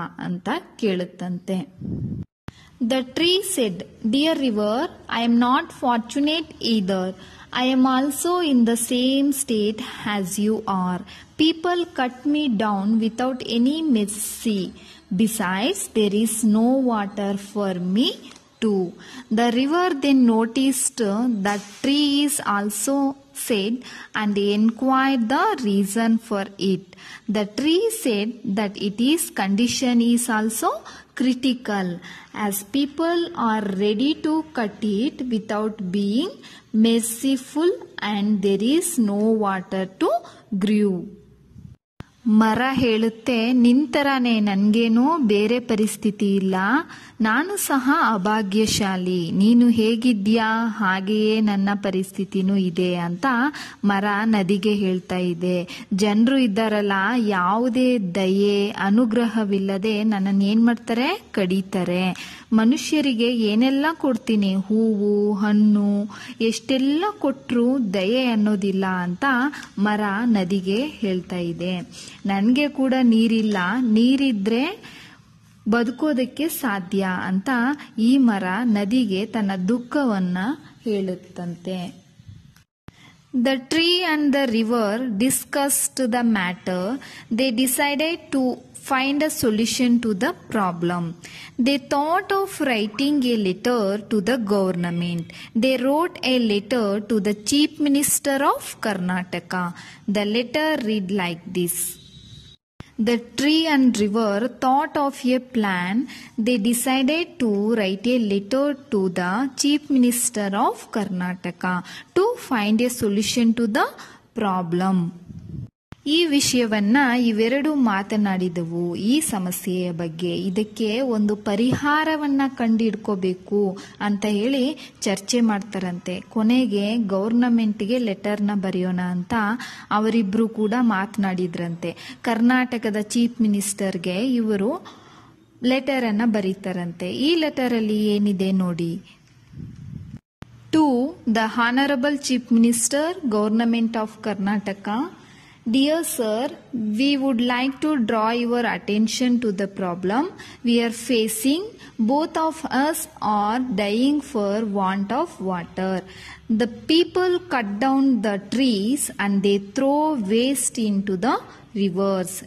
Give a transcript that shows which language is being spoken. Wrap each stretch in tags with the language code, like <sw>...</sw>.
<kn>ಅಂತ ಕೇಳುತ್ತಂತೆ.</kn> <en>The tree said, "dear river, I am not fortunate either. I am also in the same state has you are. People cut me down without any mercy. Besides, there is no water for me 2. The river then noticed the tree is also said and inquired the reason for it. The tree said that its condition is also critical, as people are ready to cut it without being merciful and there is no water to grow.</en> <kn>ಮರ ಹೇಳುತ್ತೆ, ನಿಂತರನೇ ನನಗೇನೂ ಬೇರೆ ಪರಿಸ್ಥಿತಿ ಇಲ್ಲ, ನಾನು ಸಹ ಅಭಾಗ್ಯಶಾಲಿ, ನೀನು ಹೇಗಿದ್ಯಾ ಹಾಗೆಯೇ ನನ್ನ ಪರಿಸ್ಥಿತಿನೂ ಇದೆ ಅಂತ ಮರ ನದಿಗೆ ಹೇಳ್ತಾ ಇದೆ. ಜನರು ಇದ್ದಾರಲ್ಲ, ಯಾವುದೇ ದಯೆ ಅನುಗ್ರಹವಿಲ್ಲದೆ ನನ್ನನ್ನು ಏನು ಮಾಡ್ತಾರೆ, ಕಡೀತಾರೆ. ಮನುಷ್ಯರಿಗೆ ಏನೆಲ್ಲ ಕೊಡ್ತೀನಿ, ಹೂವು ಹಣ್ಣು ಎಷ್ಟೆಲ್ಲ ಕೊಟ್ಟರು ದಯೆ ಅನ್ನೋದಿಲ್ಲ ಅಂತ ಮರ ನದಿಗೆ ಹೇಳ್ತಾ ಇದೆ. ನನಗೆ ಕೂಡ ನೀರಿಲ್ಲ, ನೀರಿದ್ರೆ ಬದುಕೋದಕ್ಕೆ ಸಾಧ್ಯ ಅಂತ ಈ ಮರ ನದಿಗೆ ತನ್ನ ದುಃಖವನ್ನು ಹೇಳುತ್ತಂತೆ.</kn> <en>The tree and the river discussed the matter. They decided to find a solution to the problem. They thought of writing a letter to the government. They wrote a letter to the chief minister of Karnataka. The letter read like this. The tree and river thought of a plan. They decided to write a letter to the chief minister of Karnataka to find a solution to the problem.</en> <kn>ಈ ವಿಷಯವನ್ನು ಇವೆರಡು ಮಾತನಾಡಿದವು ಈ ಸಮಸ್ಯೆಯ ಬಗ್ಗೆ. ಇದಕ್ಕೆ ಒಂದು ಪರಿಹಾರವನ್ನು ಕಂಡಿಡ್ಕೋಬೇಕು ಅಂತ ಹೇಳಿ ಚರ್ಚೆ ಮಾಡ್ತಾರಂತೆ. ಕೊನೆಗೆ ಗೌರ್ನಮೆಂಟ್ಗೆ ಲೆಟರ್ನ ಬರೆಯೋಣ ಅಂತ ಅವರಿಬ್ಬರು ಕೂಡ ಮಾತನಾಡಿದ್ರಂತೆ. ಕರ್ನಾಟಕದ ಚೀಫ್ ಮಿನಿಸ್ಟರ್ಗೆ ಇವರು ಲೆಟರನ್ನು ಬರೀತಾರಂತೆ. ಈ ಲೆಟರಲ್ಲಿ ಏನಿದೆ ನೋಡಿ.</kn> <en>To the honourable chief minister, government of Karnataka. Dear sir, we would like to draw your attention to the problem we are facing. Both of us are dying for want of water. The people cut down the trees and they throw waste into the rivers.</en>